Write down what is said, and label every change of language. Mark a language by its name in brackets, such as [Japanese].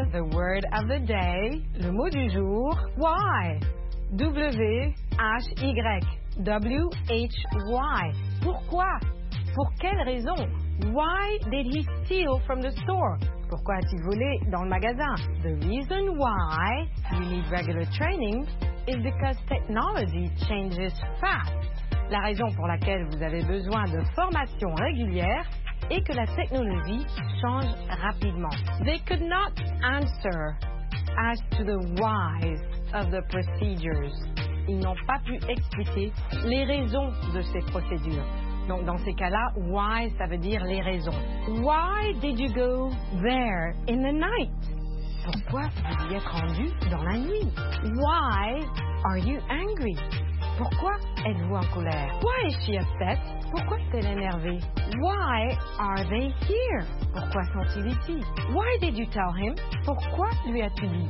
[English] The word of the day, [French] le mot du jour, [English] why? [French] W-H-Y. Pourquoi? Pour quelle raison? [English] Why did he steal from the store? [French] Pourquoi a-t-il volé dans le magasin? [English] The reason why you need regular training is because technology changes fast. [French] La raison pour laquelle vous avez besoin de formation régulière est que la technologie change rapidement. [English] They could not answer as to the whys of the procedures. [French] Ils n'ont pas pu expliquer les raisons de ces procédures. Donc, dans ces cas-là, why, ça veut dire les raisons. [English] Why did you go there in the night? [French] Pourquoi vous y êtes rendu dans la nuit? [English] Why are you angry? [French] Pourquoi êtes-vous en colère? [English] Why is she upset? [French] Pourquoi est-elle énervée? [English] Why are they here? [French] Pourquoi sont-ils ici? [English] Why did you tell him? [French] Pourquoi lui as-tu dit?